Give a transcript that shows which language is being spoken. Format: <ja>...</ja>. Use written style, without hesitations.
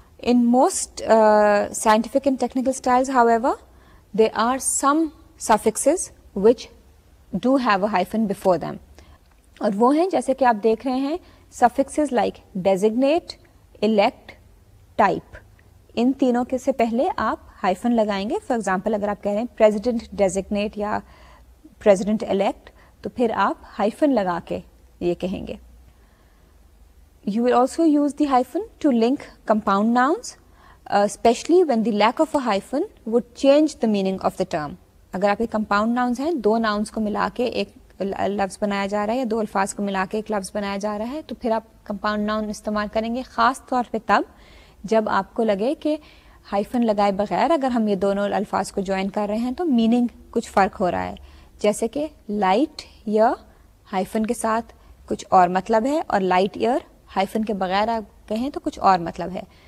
<en>in most scientific and technical styles however they are some suffixes which do have a hyphen before them,</en> <ur>اور وہ ہیں جیسے کہ آپ دیکھ رہے ہیں سفکسز لائک ڈیزیگنیٹ الیکٹ ٹائپ, ان تینوں کے سے پہلے آپ ہائفن لگائیں گے. فار ایگزامپل اگر آپ کہہ رہے ہیں پریزیڈنٹ ڈیزیگنیٹ یا پریزیڈنٹ الیکٹ, تو پھر آپ ہائفن لگا کے یہ کہیں گے.</ur> <en>You will also use the hyphen to link compound nouns, especially when the lack of a hyphen would change the meaning of the term.</en> <ur>اگر آپ کے کمپاؤنڈ ناؤنز ہیں, دو ناؤنز کو ملا کے ایک لفظ بنایا جا رہا ہے یا دو الفاظ کو ملا کے ایک لفظ بنایا جا رہا ہے, تو پھر آپ کمپاؤنڈ ناؤن استعمال کریں گے, خاص طور پہ تب جب آپ کو لگے کہ ہائفن لگائے بغیر اگر ہم یہ دونوں الفاظ کو جوائن کر رہے ہیں تو میننگ کچھ فرق ہو رہا ہے, جیسے کہ لائٹ ایئر ہائفن کے ساتھ کچھ اور مطلب ہے, اور لائٹ ایئر ہائفن کے بغیر آپ کہیں تو کچھ اور مطلب ہے.</ur>